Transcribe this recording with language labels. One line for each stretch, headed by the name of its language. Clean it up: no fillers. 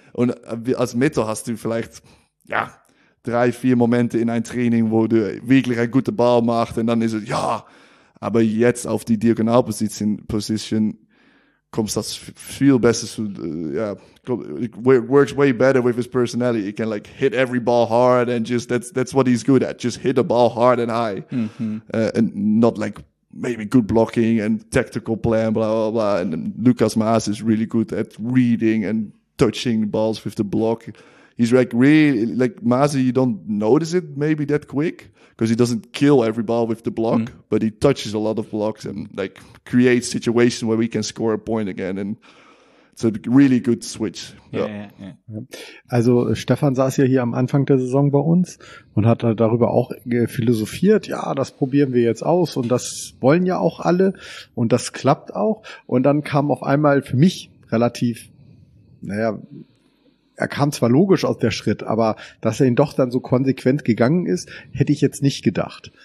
German: Und als Mittel hast du vielleicht, ja, 3-4 Momente in einem Training, wo du wirklich einen guten Ball machst und dann ist es, ja, aber jetzt auf die Diagonalposition kommst das viel besser zu, ja,
English: it works way better with his personality. He can like hit every ball hard and just, that's what he's good at, just hit the ball hard and high. Mm-hmm. And not like maybe good blocking and tactical plan, blah, blah, blah. And Lucas Maas is really good at reading and touching balls with the block. He's like really, like Maze, you don't notice it maybe that quick because he doesn't kill every ball with the block, but he touches a lot of blocks and like creates situations where we can score a point again. And it's a really good switch. Yeah.
German: Also Stefan saß ja hier am Anfang der Saison bei uns und hat darüber auch philosophiert. Ja, das probieren wir jetzt aus und das wollen ja auch alle und das klappt auch. Und dann kam auf einmal für mich relativ, naja, er kam zwar logisch aus der Schritt, aber dass er ihn doch dann so konsequent gegangen ist, hätte ich jetzt nicht gedacht.